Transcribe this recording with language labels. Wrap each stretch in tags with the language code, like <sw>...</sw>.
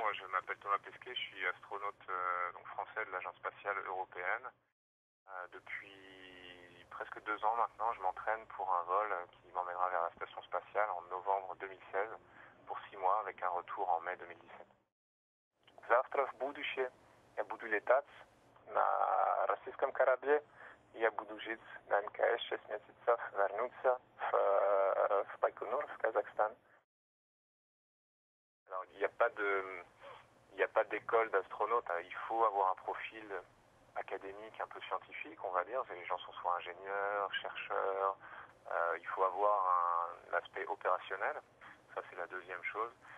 <fr>m'appelle Thomas Pesquet, je suis astronaute donc français de l'Agence spatiale européenne. Depuis presque 2 ans maintenant, je m'entraîne pour un vol qui m'emmènera vers la station spatiale en novembre 2016 pour 6 mois avec un retour en mai 2017.</fr> <ru>Завтра в будущее я буду летать на российском корабле. Я буду жить на МКС 6 месяцев, вернуться в Байконур, в Казахстан.</ru> <fr>Alors, il n'y a pas d'école d'astronaute. Il faut avoir un profil académique, un peu scientifique, on va dire. Les gens sont soit ingénieurs, chercheurs. Il faut avoir un aspect opérationnel. Ça, c'est la deuxième chose.</fr>